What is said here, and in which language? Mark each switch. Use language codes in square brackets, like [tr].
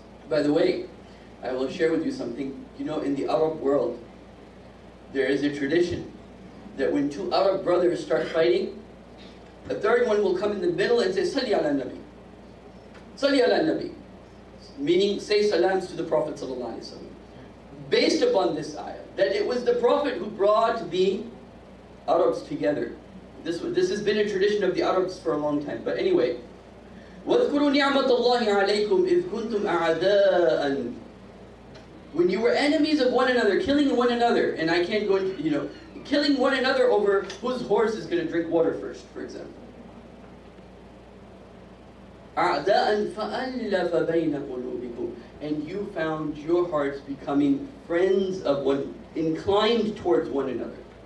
[en] By the way, I will share with you something. You know, in the Arab world, there is a tradition that when two Arab brothers start fighting, a third one will come in the middle and say, [ar] Salli ala Nabi. Salli ala Nabi. [en] Meaning, say salams to the Prophet sallallahu alayhi wa sallam. Based upon this ayah, that it was the Prophet who brought the Arabs together. This has been a tradition of the Arabs for a long time. But anyway, [ar] وَذْكُرُوا نِعْمَةَ اللَّهِ عَلَيْكُمْ إِذْ كُنْتُمْ أَعَدَاءً. [en] When you were enemies of one another, killing one another, and I can't go into, you know, killing one another over whose horse is going to drink water first, for example. [ar] أَعْدَاءً فَأَلَّفَ بَيْنَ قُلُوبِكُمْ. [en] And you found your hearts becoming friends of one, inclined towards one another.